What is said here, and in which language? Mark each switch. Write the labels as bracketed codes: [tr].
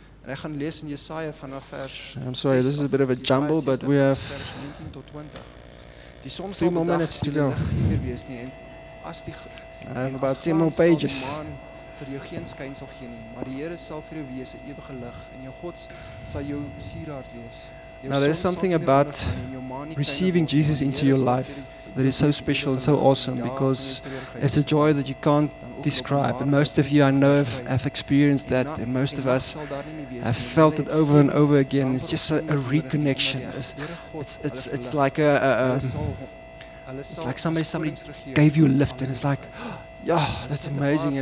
[en] I'm sorry, this is a bit of a jumble, but we have 3 more minutes to go. I have about 10 more pages. [af] Vir jou geen skyn sal gee nie, maar die Here sal vir jou wees 'n ewige lig en jou God sal jou sieraad wees. [en] Now there's something about receiving Jesus into your life that is so special and so awesome, because it's a joy that you can't describe. And most of you I know have experienced that, and most of us have felt it over and over again. It's just a reconnection. It's like somebody gave you a lift, and it's like, yeah, that's amazing.